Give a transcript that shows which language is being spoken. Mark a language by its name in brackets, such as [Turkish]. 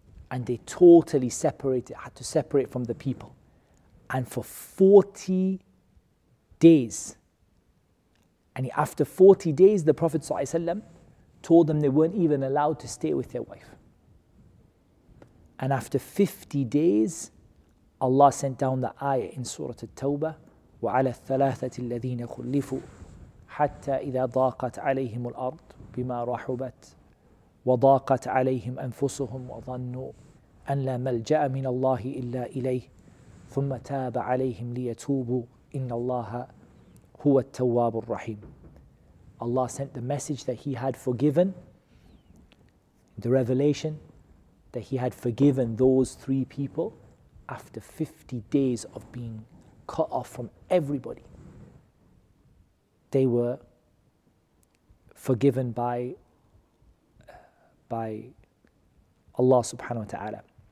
[English] And they totally separated, had to separate from the people. And for 40 days, and after 40 days, the Prophet ﷺ told them they weren't even allowed to stay with their wife. And after 50 days, Allah sent down the ayah in Surah At-Tawbah, [Arabic] وَعَلَى الثَّلَاثَةِ الَّذِينَ خُلِّفُوا حَتَّى إِذَا ضَاقَتْ عَلَيْهِمُ الْأَرْضُ بِمَا رَحُبَتْ وَضَاقَتْ عَلَيْهِمْ أَنفُسُهُمْ وَظَنُّوا أَنْ لَا مَلْجَأَ مِنَ اللَّهِ إِلَّا إِلَيْهِ ثُمَّ تَابَ عَلَيْهِمْ لِيَتُوبُوا إِنَّ اللَّهَ هُوَ التَّوَّابُ الرَّحِيمُ. [English] Allah sent the message that He had forgiven, the revelation that He had forgiven those three people. After 50 days of being cut off from everybody, they were forgiven by Allah subhanahu wa ta'ala.